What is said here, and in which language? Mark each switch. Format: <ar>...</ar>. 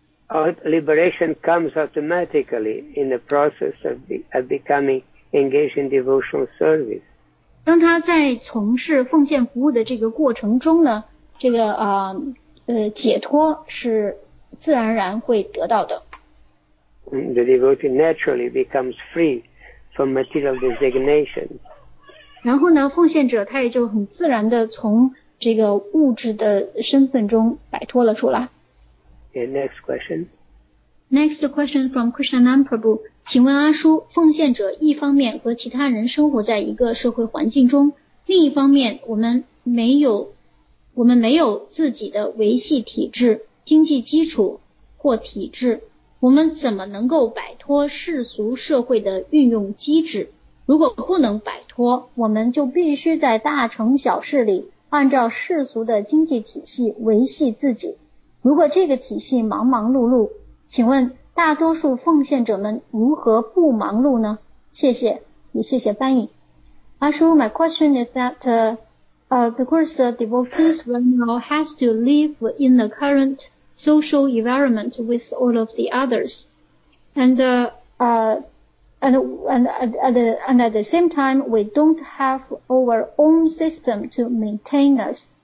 <en>Liberation comes automatically in the process of becoming engaged in devotional service.</en> <zh>当他在从事奉献服务的这个过程中呢，这个解脱是自然而然会得到的。</zh> <en>The devotee naturally becomes free from material designation.</en> <zh>然后呢，奉献者他也就很自然的从这个物质的身份中摆脱了出来。</zh> <en>Okay, next question. Next question from Krishnanand Prabhu.</en> <zh>请问阿叔，奉献者一方面和其他人生活在一个社会环境中，另一方面我们没有自己的维系体制、经济基础或体制，我们怎么能够摆脱世俗社会的运用机制？如果不能摆脱，我们就必须在大城小市里按照世俗的经济体系维系自己。如果这个体系忙忙碌碌，请问大多数奉献者们如何不忙碌呢？谢谢，也谢谢翻译。</zh> <en>Ashu, my question is that, because the devotees right now has to live in the current social environment with all of the others, and at the same time, we don't have our own system to maintain us.</en>